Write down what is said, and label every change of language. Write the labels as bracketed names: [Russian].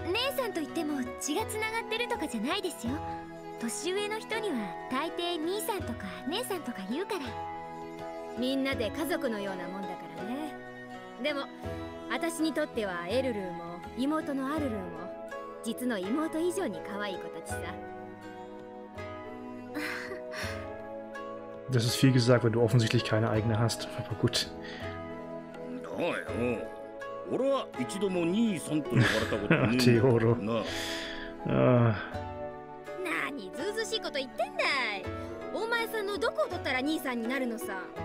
[Japanese] 姉さんと言っても血がつながってるとかじゃないですよ。年上の人には大抵兄さんとか姉さんとか言うから。みんなで家族のようなもんだからね。でも私にとってはエルルーも妹のアルルーも実の妹以上に可愛い子たちさ。 [German] Das ist viel gesagt, weil du offensichtlich keine eigene hast. Aber gut. Na ja. [Japanese] 俺は一度も兄さんと呼ばれたことねえよな。なにずうずしいこと言ってんだい。お前さんのどこを取ったら兄さんになるのさ。